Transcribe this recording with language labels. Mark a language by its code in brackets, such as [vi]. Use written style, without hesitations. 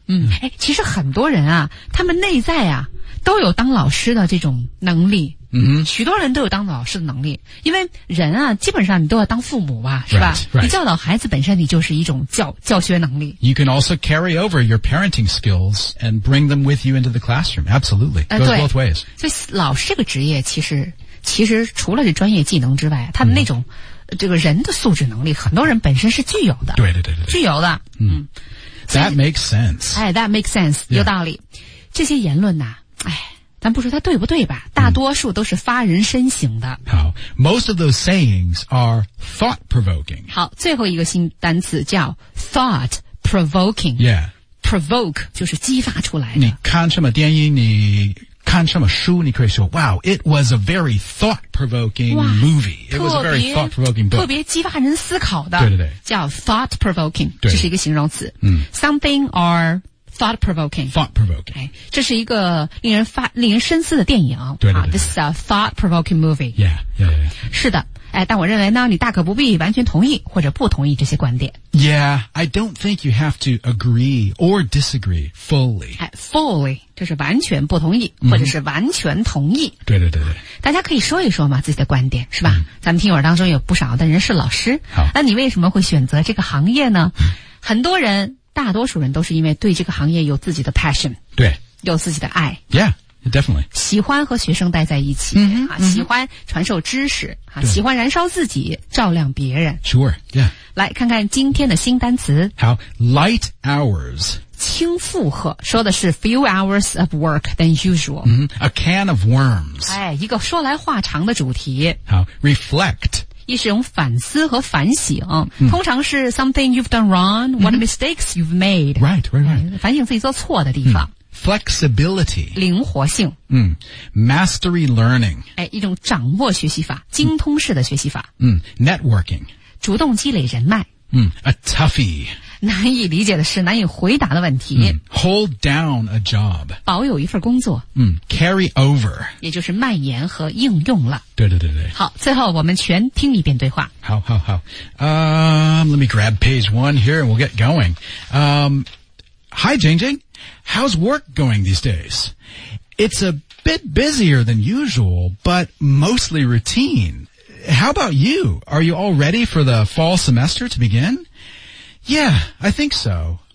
[zh] 嗯、yeah. 其实很多人啊他们内在啊都有当老师的这种能力。嗯、mm-hmm. 许多人都有当老师的能力，因为人啊，基本上你都要当父母吧，是吧？ [en] Right, right. [zh] 你教导孩子本身你就是一种教学能力。 [en] You can also carry over your parenting skills and bring them with you into the classroom. Absolutely, goes both ways. [zh] 所以老师这个职业其实除了这专业技能之外，他的那种这个人的素质能力，很多人本身是具有的。对对对对，具有的。 [en] That makes sense. [zh] 哎 ， [en] That makes sense， [zh] 有道理。这些言论呐，哎。咱不说它对不对吧，大多数都是发人深省的。 [en] 好 ,most of those sayings are thought provoking. [zh] 好，最后一个新单词叫 thought provoking. [en] Yeah. [zh] Provoke 就是激发出来的。你看什么电影，你看什么书，你可以说 [en] wow, it was a very thought provoking movie. It was a very thought provoking book. [zh] 特别激发人思考的。对对对。叫 thought provoking, 这是一个形容词。 [en] Something or... Thought provoking. [zh] 这是一个令人深思的电影。对对对对。 [en] This is a thought provoking movie. Yeah, yeah, yeah. [zh] 是的。哎，但我认为呢，你大可不必完全同意或者不同意这些观点。 [en] Yeah, I don't think you have to agree or disagree fully. [zh] Fully, 就是完全不同意或者是完全同意。对对对对。大家可以说一说嘛，自己的观点，是吧？咱们听友当中有不少的人是老师。好。那你为什么会选择这个行业呢？很多人大多数人都是因为对这个行业有自己的 passion，对，有自己的爱 [en] ，Yeah, definitely， [zh] 喜欢和学生待在一起，喜欢传授知识，喜欢燃烧自己，照亮别人 [en] ，Sure, yeah， [zh] 来看看今天的新单词， [en] 好 ，light hours， [zh] 轻负荷，说的是 [en] few hours of work than usual， a can of worms， [zh] 哎，一个说来话长的主题， [en] 好 ，reflect。 [zh] 一是用反思和反省，通常是 [en] something you've done wrong, what mistakes you've made. Right, right, right. [zh] 反省自己做错的地方。 [en] Flexibility. [zh] 灵活性。 [en] Mastery learning. [zh] 哎，一种掌握学习法，精通式的学习法。 [en] Networking. [zh] 主动积累人脉。 [en] A toughie. [zh] 难以理解的事，难以回答的问题。 [en] Hold down a job. [zh] 保有一份工作。 [en] Carry over. [zh] 也就是蔓延和应用了。对对对对，好，最后我们全听一遍对话。 [en] 好好好，let me grab page one here and we'll get going. Hi, Jing Jing, how's work going these days? It's a bit busier than usual, but mostly routine. How about you? Are you all ready for the fall semester to begin? Yeah, I think so.